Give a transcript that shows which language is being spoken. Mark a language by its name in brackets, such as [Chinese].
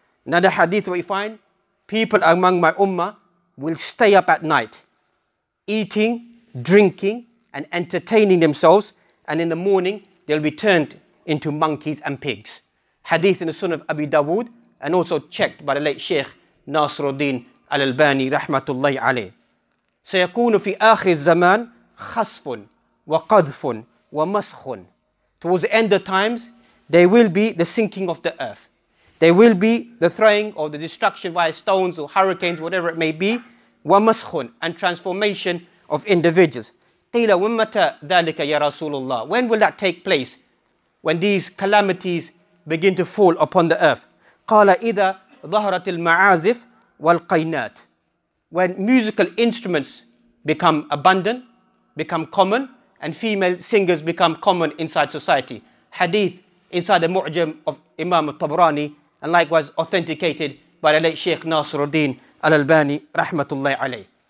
[English] Another hadith we find, people among my ummah will stay up at night, eating, drinking, and entertaining themselves, and in the morning, they'll be turned into monkeys and pigs. Hadith in the Sunan of Abi Dawood, and also checked by the late Sheikh Nasruddin Al-Albani, Rahmatullahi Alayh. [Arabic] سيكون في آخر الزمان خصف وقذف ومسخ. [English] Towards the end of times, there will be the sinking of the earth. There will be the throwing or the destruction via stones or hurricanes, whatever it may be. ومسخ, and transformation of individuals. [Arabic] قيل ومتى ذلك يا رسول الله. [English] When will that take place? When these calamities begin to fall upon the earth. [Arabic] قال إذا ظهرت المعازف والقينات. [English] When musical instruments become abundant, become common, and female singers become common inside society. Hadith inside the Mu'jam of Imam al-Tabrani, and likewise authenticated by the late Sheikh Nasruddin al-Albani, rahmatullahi alayh.